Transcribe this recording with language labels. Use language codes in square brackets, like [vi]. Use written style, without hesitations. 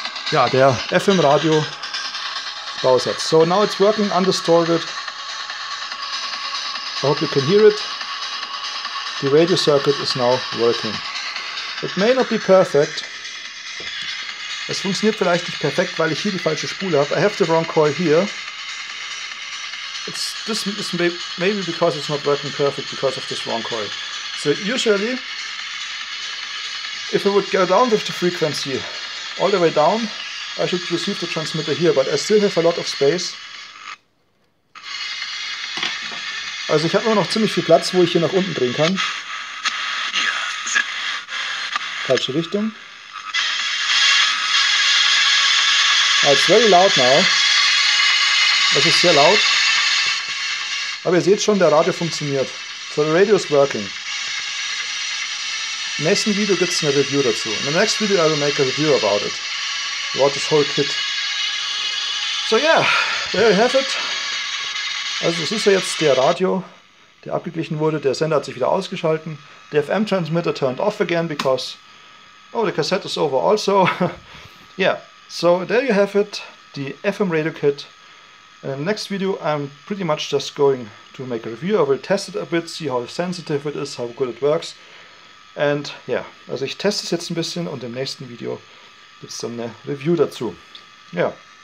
[de] Ja, der FM-Radio Bausatz. [en] So now it's working, undistorted. I hope you can hear it. The radio circuit is now working. It may not be perfect. [de] Es funktioniert vielleicht nicht perfekt, weil ich hier die falsche Spule habe. [en] I have the wrong coil here. This is maybe because it's not working perfect because of this wrong coil. So usually, if I would go down with the frequency all the way down, I should receive the transmitter here, but I still have a lot of space. [de] Also ich habe immer noch ziemlich viel Platz, wo ich hier nach unten drehen kann. Falsche Richtung. [en] It's very loud now. [de] Es ist sehr laut. Aber ihr seht schon, der Radio funktioniert. [en] So the radio is working. [de] Im nächsten Video gibt es eine Review dazu. [en] In the next video I will make a review about it. About this whole kit. So yeah, there you have it. [de] Also das ist ja jetzt der Radio, der abgeglichen wurde. Der Sender hat sich wieder ausgeschalten. [en] Der FM Transmitter turned off again because oh, the cassette is over also. Yeah, so there you have it, the FM radio kit. In the next video I'm pretty much just going to make a review. I will test it a bit, see how sensitive it is, how good it works. And yeah, [de] also ich teste es jetzt ein bisschen und im nächsten Video gibt es dann eine Review dazu. [en] Yeah.